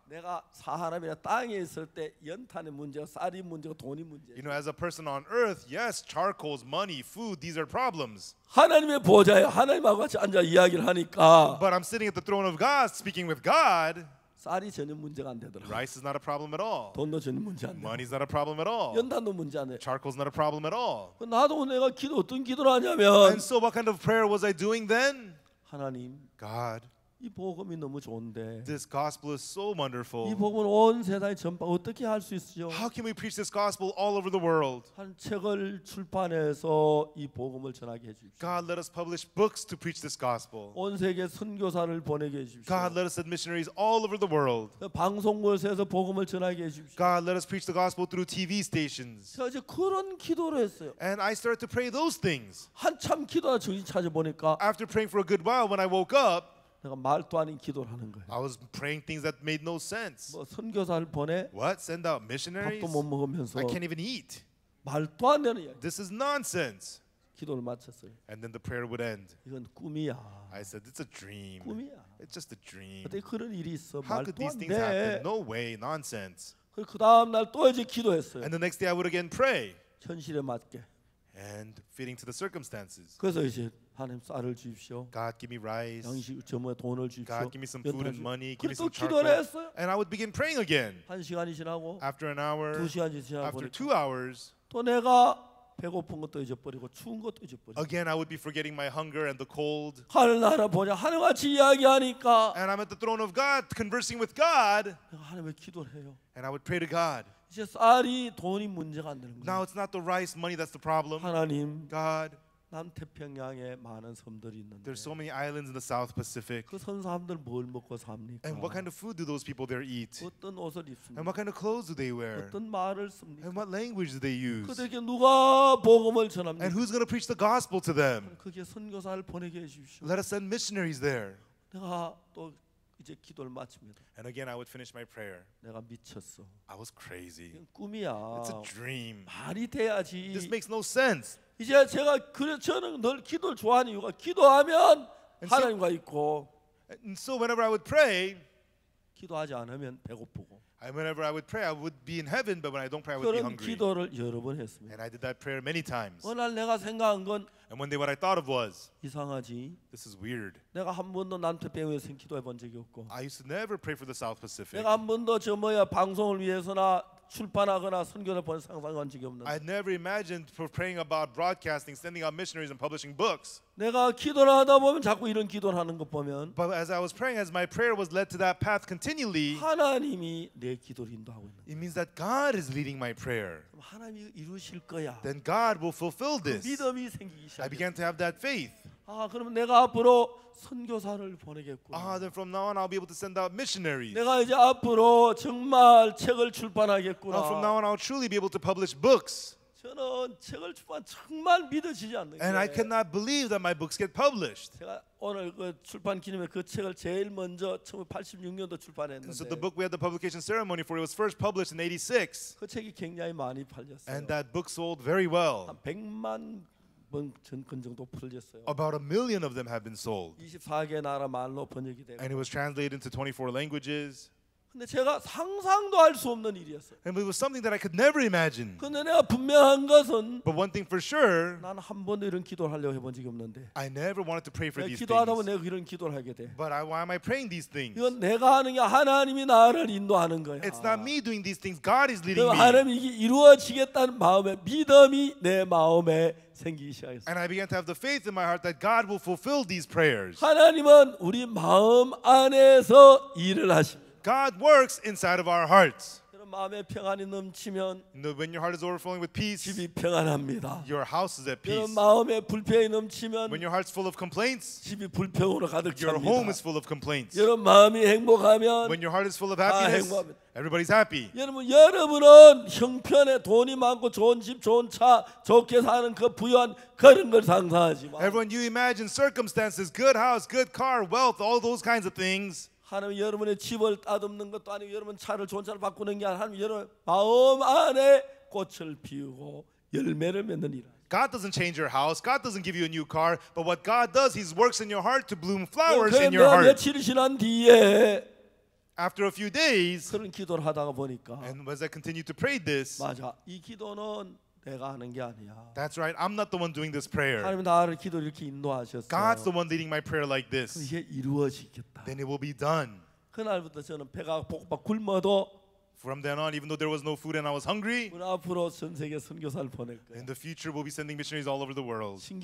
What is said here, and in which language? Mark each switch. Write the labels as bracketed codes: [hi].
[ko] 내가 사람이나 땅에 있을 때 연탄의 문제가 쌀이 문제가 돈이 문제. [en] You know, as a person on earth, yes, charcoal's money, food, these are problems. [ko] 하나님의 보좌에 하나님하고 같이 앉아 이야기를 하니까. [en] But I'm sitting at the throne of God, speaking with God. [ko] 쌀이 전혀 문제가 안 되더라. [en] Rice is not a problem at all. [ko] 돈도 전혀 문제 안 돼. [en] Money's not a problem at all. [ko] 연탄도 문제 안 돼. [en] Charcoal's not a problem at all. [ko] 나도 내가 기도 어떤 기도를 하냐면. [en] And so, what kind of prayer was I doing then? [ko] 하나님. [en] God. [ko] 이 복음이 너무 좋은데. [en] This gospel is so wonderful. [ko] 이 복음을 온 세상에 전파 어떻게 할 수 있죠? [en] How can we preach this gospel all over the world? [ko] 한 책을 출판해서 이 복음을 전하게 해 주십시오. [en] God, let us publish books to preach this gospel. [ko] 온 세계 선교사를 보내게 해 주십시오. [en] God, let us send missionaries all over the world. [ko] 방송국에서 복음을 전하게 해 주십시오. [en] God, let us preach the gospel through TV stations. [ko] 저 그런 기도를 했어요. [en] And I started to pray those things. [ko] 한참 기도하다 정신 찾아보니까 [en] After praying for a good while when I woke up, [ko] 내가 말도 아닌 기도를 하는 거예요. [en] I was praying things that made no sense. [ko] 뭐 선교사를 보내? [en] What? Send out missionaries? [ko] 밥도 못 먹으면서. [en] I can't even eat. [ko] 말도 안 되는 이야기. [en] This is nonsense. [ko] 기도를 마쳤어요. [en] And then the prayer would end. [ko] 이건 꿈이야. [en] I said it's a dream. [ko] 꿈이야. [en] It's just a dream. [ko] 어떻게 그런 일이 있어? 말도 안 돼. [en] How could these things happen? No way. Nonsense. [ko] 그리고 그 다음 날 또 이제 기도했어요. [en] And the next day I would again pray. [ko] 현실에 맞게. [en] And fitting to the circumstances. [ko] 그래서 이제 하나님 쌀을 주십시오. [en] God give me rice. [ko] 양식 점에 돈을 주십시오. [en] God give me some food and money. Give me some charcoal. [ko] 했어요. [en] And I would begin praying again. [ko] 한 시간이 지나고. [en] After an hour. [ko] 두 시간이 지나고. [en] After 2 hours. [ko] 또 내가 배고픈 것도 잊어버리고 추운 것도 잊어버리고. [en] Again, I would be forgetting my hunger and the cold. [ko] 하늘 나라 보냐 하늘 같이 이야기하니까. [en] And I'm at the throne of God, conversing with God. [ko] 내가 하나님을 기도해요. [en] And I would pray to God. [ko] 이제 쌀이 돈이 문제가 안 되는 거야. [en] Now it's not the rice, money that's the problem. [ko] 하나님. [en] God. [ko] 남태평양에 많은 섬들이 있는데. [en] There's so many islands in the South Pacific. [ko] 그 섬 사람들 뭘 먹고 삽니까? [en] And what kind of food do those people there eat? [ko] 어떤 옷을 입습니까? [en] And what kind of clothes do they wear? [ko] 어떤 말을 씁니까? [en] And what language do they use? [ko] 그들에게 누가 복음을 전합니까? [en] And who's going to preach the gospel to them? [ko] 그게 선교사를 보내게 해주십시오. [en] Let us send missionaries there. [ko] 내가 또 이제 기도를 마칩니다. [en] And again, I would finish my prayer. [ko] 내가 미쳤어. [en] I was crazy. [ko] 꿈이야. [en] It's a dream. [ko] 말이 돼야지. [en] This makes no sense. [ko] 이제 제가 그래 저는 늘 기도를 좋아하는 이유가 기도하면 하나님과 있고 [en] And so whenever I would pray [ko] 기도하지 않으면 배고프고 [en] And whenever I would pray I would be in heaven but when I don't pray I would be hungry [ko] 그런 기도를 여러 번 했습니다 [en] And I did that prayer many times [ko] 어느 날 내가 생각한 건 [en] And one day what I thought of was [ko] 이상하지 [en] This is weird [ko] 내가 한 번도 남태평양에서 기도해 본 적이 없고 [en] I used to never pray for the South Pacific [ko] 내가 한 번도 저 뭐야 방송을 위해서나 출판하거나 선교를 보는 상상한 적이 없는. [en] I never imagined for praying about broadcasting, sending out missionaries, and publishing books. [ko] 내가 기도를 하다 보면 자꾸 이런 기도를 하는 것 보면. [en] But as I was praying, as my prayer was led to that path continually. [ko] 하나님이 내 기도를 인도하고 있는. [en] It means that God is leading my prayer. [ko] 하나님이 이루실 거야. [en] Then God will fulfill this. [ko] 그 믿음이 생기기 시작. [en] I began to have that faith. [ko] 아, 그럼 내가 앞으로 선교사를 보내겠구나. [en] Ah, then from now on I'll be able to send out missionaries. [ko] 내가 이제 앞으로 정말 책을 출판하겠구나. [en] Ah, from now on I'll truly be able to publish books. [ko] 저는 책을 출판 정말 믿어지지 않는 게. [en] And I cannot believe that my books get published. [ko] 제가 오늘 그 출판 기념회 그 책을 제일 먼저 1986년도 출판했는데. [en] And so the book we had the publication ceremony for it was first published in 86. [ko] 그 책이 굉장히 많이 팔렸어요. [en] And that book sold very well. [ko] 한 100만 번 정도 풀렸어요. [en] About a million of them have been sold. [ko] 24개 나라 말로 번역이 되고. [en] And it was translated into 24 languages. [ko] 근데 제가 상상도 할 수 없는 일이었어요. [en] And it was something that I could never imagine. [ko] 근데 내가 분명한 것은 [en] But one thing for sure. [ko] 난 한 번도 이런 기도를 하려고 해본 적이 없는데. [en] I never wanted to pray for these things. [ko] 기도하다 보면 내가 이런 기도를 하게 돼. [en] But why am I praying these things? [ko] 이건 내가 하는 게 하나님이 나를 인도하는 거야. [en] It's not me doing these things. God is leading me. [ko] 하나님이 이게 이루어지겠다는 마음에 믿음이 내 마음에 생기기 시작했어요. [en] And I began to have the faith in my heart that God will fulfill these prayers. [ko] 하나님은 우리 마음 안에서 일을 하십니다. [en] God works inside of our hearts. [ko] 여러분 마음에 평안이 넘치면 [en] When your heart is overflowing with peace, [ko] 집이 평안합니다. [en] Your house is at peace. [ko] 여러분 마음에 불평이 넘치면 [en] When your heart's full of complaints, [ko] 집이 불평으로 가득 찹니다. [en] Your home is full of complaints. [ko] 여러분 마음이 행복하면 [en] When your heart is full of happiness, everybody's happy. [ko] 여러분은 형편에 돈이 많고 좋은 집, 좋은 차, 좋게 사는 그 부유한 그런 걸 상상하지 마. [en] Everyone, you imagine circumstances, good house, good car, wealth, all those kinds of things. [ko] 하나님 여러분의 집을 따듬는 것도 아니고 여러분 차를 좋은 차를 바꾸는 게 아니라 하나님 여러분 마음 안에 꽃을 피우고 열매를 맺는 일. [en] God doesn't change your house. God doesn't give you a new car. But what God does, He works in your heart to bloom flowers in your heart. [ko] 며칠 지난 뒤에 [en] After a few days, [ko] 그런 기도를 하다가 보니까 [en] And as I continue to pray this, [ko] 맞아 이 기도는 내가 하는 게 아니야. [en] That's right. I'm not the one doing this prayer. [ko] 하나님 나를 기도 이렇게 인도하셨어. [en] God's the one leading my prayer like this. [ko] 이게 이루어지겠다. [en] Then it will be done. [ko] 그날부터 저는 배가 고파 굶어도 [en] From then on, even though there was no food and I was hungry, in the future we'll be sending missionaries all over the world.